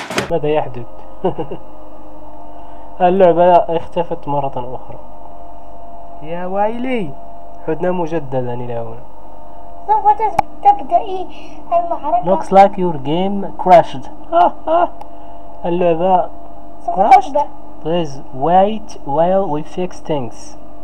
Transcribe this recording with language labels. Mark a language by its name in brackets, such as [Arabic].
[Arabic] ماذا يحدث؟ اللعبة اختفت مرة أخرى. يا ويلي، عدنا مجددا إلى هنا. سوف تبدأي المعركة. [English] Looks like your game crashed. [Arabic] اللعبة crashed. [English] Please wait while we fix things.